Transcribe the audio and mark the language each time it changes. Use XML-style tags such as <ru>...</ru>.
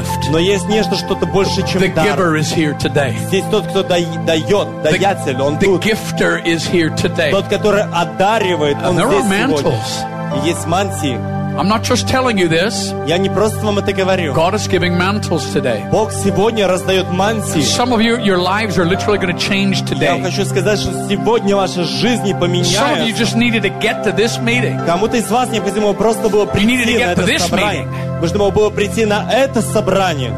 <ru>Но есть нечто, что-то больше, чем дар. Здесь тот, кто дает, даятель, он тут. Тот, который одаривает, он здесь сегодня. Есть мантии.</ru> <en>I'm not just telling you this.</en> <ru>Я не просто вам это говорю.</ru> <en>God is giving mantles today.</en> <ru>Бог сегодня раздает мантии.</ru> <en>Some of you, your lives are literally going to change today.</en> <ru>Я хочу сказать, что сегодня ваша жизнь поменяется.</ru> <en>Some of you just needed to get to this meeting.</en> <ru>Кому-то из вас необходимо просто было прийти на это собрание. Нужно было прийти на это собрание.</ru>